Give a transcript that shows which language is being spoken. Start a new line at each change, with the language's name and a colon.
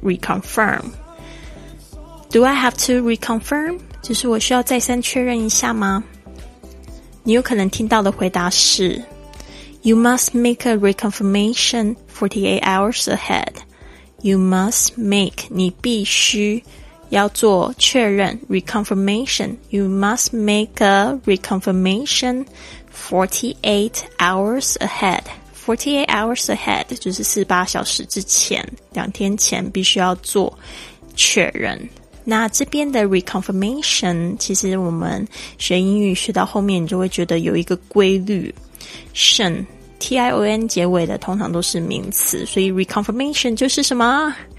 English: Reconfirm Do I have to reconfirm?
Chinese: 就是我需要再三确认一下吗？你有可能听到的回答是
English: You must make a reconfirmation 48 hours ahead. You must make,
Chinese: 你必须要做确认 reconfirmation.
English: You must make a reconfirmation 48 hours ahead.
Chinese: 48 hours ahead 就是48小时之前，两天前必须要做确认。那这边的 reconfirmation 其实我们学英语学到后面你就会觉得有一个规律， tion T-I-O-N 结尾的通常都是名词，所以 reconfirmation 就是什么？